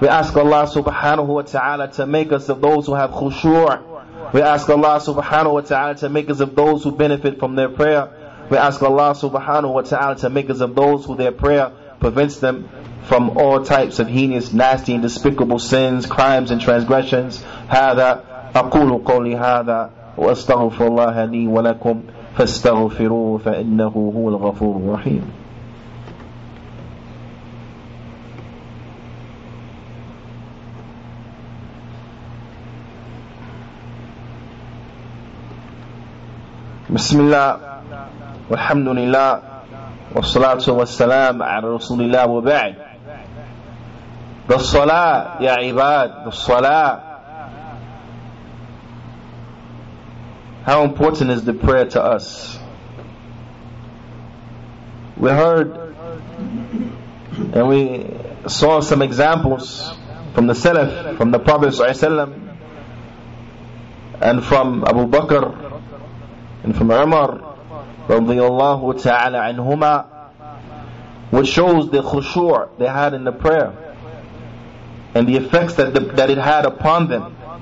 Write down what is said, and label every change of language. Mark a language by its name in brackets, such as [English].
[English] We ask Allah subhanahu wa ta'ala to make us of those who have khushu'. We ask Allah subhanahu wa ta'ala to make us of those who benefit from their prayer. We ask Allah subhanahu wa ta'ala to make us of those who their prayer prevents them from all types of heinous, nasty, and despicable sins, crimes, and transgressions. [Arabic] Hada aqulu qawli hada wa astaghfirullah li wa lakum فاستغفروه فإنه هو الغفور الرحيم بسم الله والحمد لله والصلاة والسلام على رسول الله وبعد بالصلاة يا عباد بالصلاة [English] How important is the prayer to us? We heard and we saw some examples from the Salaf, from the Prophet ﷺ, and from Abu Bakr and from Umar radiyallahu ta'ala anhuma, which shows the khushu' they had in the prayer and the effects that it had upon them.